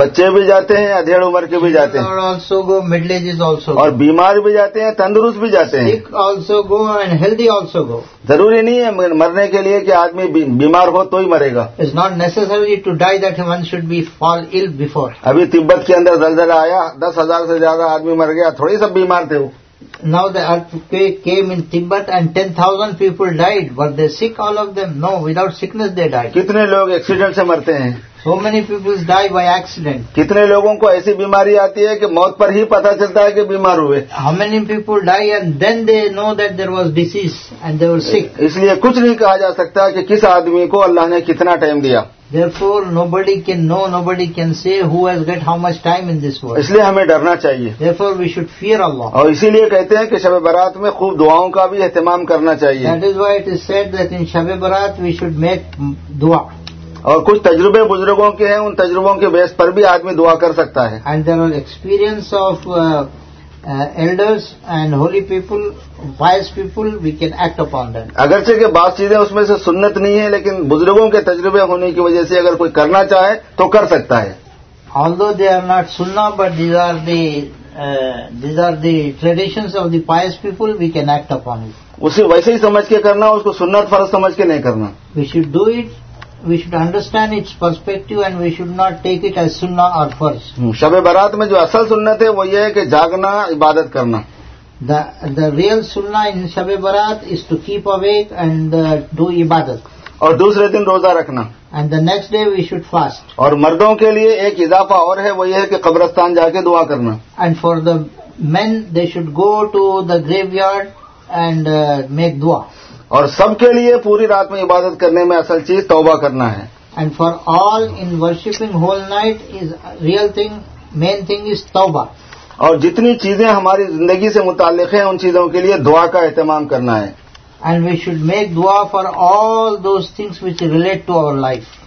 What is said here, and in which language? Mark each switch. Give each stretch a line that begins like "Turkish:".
Urdu: بچے بھی جاتے ہیں ادھیڑ عمر کے بھی جاتے ہیں.
English: Children also go, middle age is also go.
Urdu: اور بیمار بھی جاتے ہیں تندرست بھی جاتے ہیں.
English: Sick also go and healthy also go.
Urdu: ضروری نہیں ہے مرنے کے لیے کہ آدمی بیمار ہو تو ہی مرے گا.
English: It's not necessary to die that one should be fall ill before.
Urdu: ابھی تبت کے اندر زلزلہ آیا 10,000 سے زیادہ آدمی مر گیا تھوڑی سب بیمار تھے وہ.
English: Now the earthquake came in Tibet and 10,000 people died. Were they sick all of them? No, without sickness they died.
Urdu: کتنے لوگ ایکسیڈنٹ سے مرتے ہیں.
English: So many people die by accident.
Urdu: کتنے لوگوں کو ایسی بیماری آتی ہے کہ موت پر ہی پتا چلتا ہے کہ بیمار ہوئے.
English: How many people die and then they know that there was disease and they were sick.
Urdu: اس لیے کچھ نہیں کہا جا سکتا کہ کس آدمی کو اللہ نے کتنا ٹائم دیا.
English: Therefore nobody can know, nobody can say who has got how much time in this world.
Urdu: اس لیے ہمیں ڈرنا چاہیے.
English: Therefore we should fear Allah.
Urdu: اور اسی لیے کہتے ہیں کہ شب برات میں خوب دعاؤں کا بھی اہتمام کرنا چاہیے.
English: That is why it is said that in Shab Barat we should make دعا.
Urdu: اور کچھ تجربے بزرگوں کے ہیں ان تجربوں کے بیس پر بھی آدمی دعا کر سکتا ہے.
English: And there are experience of elders and holy people, wise people, we can act upon them.
Urdu: اگرچہ کہ بعض چیزیں اس میں سے سنت نہیں ہیں لیکن بزرگوں کے تجربے ہونے کی وجہ سے اگر کوئی کرنا چاہے تو کر سکتا ہے.
English: Although they are not sunnah but these are the traditions of the pious people, we can act upon it.
Urdu: اسے ویسے ہی سمجھ کے کرنا، اس کو سنت فرض سمجھ کے نہیں کرنا.
English: We should do it. We should understand its perspective and we should not take it as sunnah or farz.
Urdu: Shab Barat میں جو اصل سنت ہے وہ یہ ہے کہ جاگنا عبادت کرنا.
English: The real sunnah in Shab Barat is to keep awake and do عبادت.
Urdu: اور دوسرے دن روزہ رکھنا.
English: And the next day we should fast.
Urdu: اور مردوں کے لیے ایک اضافہ اور ہے وہ یہ ہے کہ قبرستان جا کے دعا کرنا.
English: And for the men they should go to the graveyard and make dua.
Urdu: اور سب کے لیے پوری رات میں عبادت کرنے میں اصل چیز توبہ کرنا ہے.
English: And for all in worshipping whole night is real thing main thing is توبہ.
Urdu: اور جتنی چیزیں ہماری زندگی سے متعلق ہیں ان چیزوں کے لیے دعا کا اہتمام کرنا ہے.
English: And we should make دعا for all those things which relate to our life.